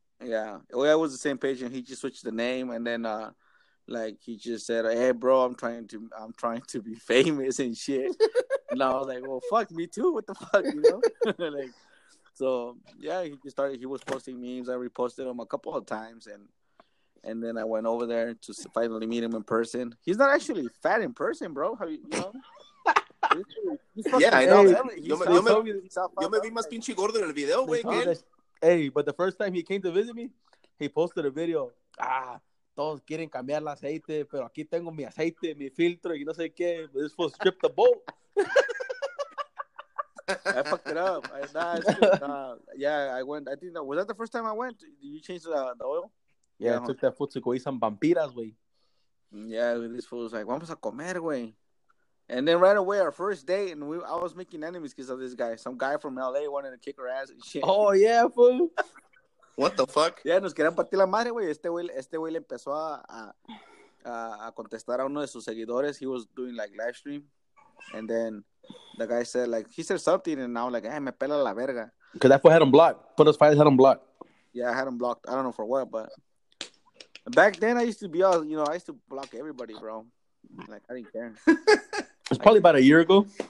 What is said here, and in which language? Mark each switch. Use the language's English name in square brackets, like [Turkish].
[English] Yeah, it was the same page, and he just switched the name, and then, Like, he just said, hey, bro, I'm trying to be famous and shit. And I was like, well, fuck, me too. What the fuck, you know? Like, so, yeah, he just started. He was posting memes. I reposted them a couple of times. And then I went over there to finally meet him in person. He's not actually fat in person, bro. How you know? Yeah, I know. [Spanish] Yo me vi más pinche gordo en el video, güey. [English] Hey, but the first time he came to visit me, he posted a video. [Spanish] Ah, todos quieren cambiar el aceite, pero aquí tengo mi aceite, mi filtro, y no sé qué. [English] This fool stripped the boat. I fucked it up. I went. I think that was that the first time I went. Did you change the oil? Yeah, I took that fool to go eat some vampiras, güey. Yeah, this fool was like, [Spanish] vamos a comer, [English] güey. And then right away, our first date, and I was making enemies because of this guy. Some guy from L.A. wanted to kick her ass and shit. Oh, yeah, fool. What the fuck? [Spanish] Yeah, nos querían partir la madre, güey. Este güey empezó a contestar a uno de sus seguidores. [English] He was doing, like, live stream. And then the guy said, like, he said something, and I'm like, hey, [Spanish] me pela la verga. [English] Because that fool had him blocked. Put those fighters had him blocked. Yeah, I had him blocked. I don't know for what, but back then, I used to be all, you know, I used to block everybody, bro. Like, I didn't care. It was probably about a year ago.